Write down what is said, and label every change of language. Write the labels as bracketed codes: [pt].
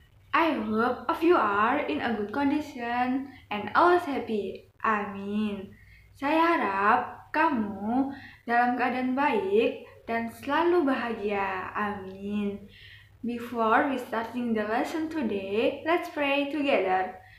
[en] I hope of you are in a good condition and always happy. [ar] Amin. [id] Saya harap kamu dalam keadaan baik dan selalu bahagia. [ar] Amin. [en] Before we starting the lesson today, let's pray together.